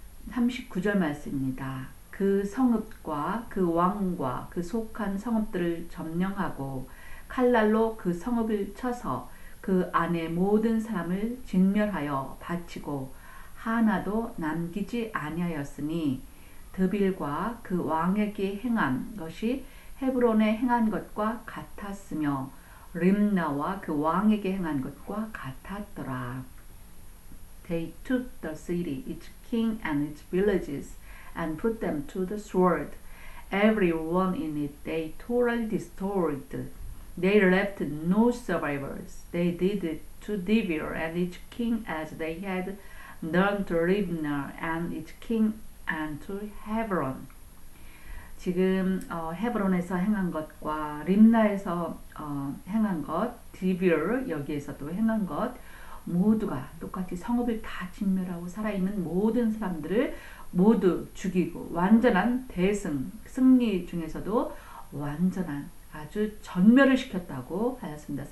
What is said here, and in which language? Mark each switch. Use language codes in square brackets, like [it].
[ko] 39절 말씀입니다. 그 성읍과 그 왕과 그 속한 성읍들을 점령하고 칼날로 그 성읍을 쳐서 그 안에 모든 사람을 진멸하여 바치고 하나도 남기지 아니하였으니 드빌과 그 왕에게 행한 것이 헤브론에 행한 것과 같았으며 림나와 그 왕에게 행한 것과 같았더라. [en] They took the city, its king and its villages, and put them to the sword. Everyone in it they totally destroyed. They left no survivors. They did it to Debir and its king as they had done to Libna and its king and to Hebron. [ko] 지금 헤브론에서 행한 것과 림나에서 행한 것, 디빌 여기에서도 행한 것 모두가 똑같이 성읍을 다 진멸하고 살아있는 모든 사람들을 모두 죽이고 완전한 대승, 승리 중에서도 완전한 아주 전멸을 시켰다고 하였습니다.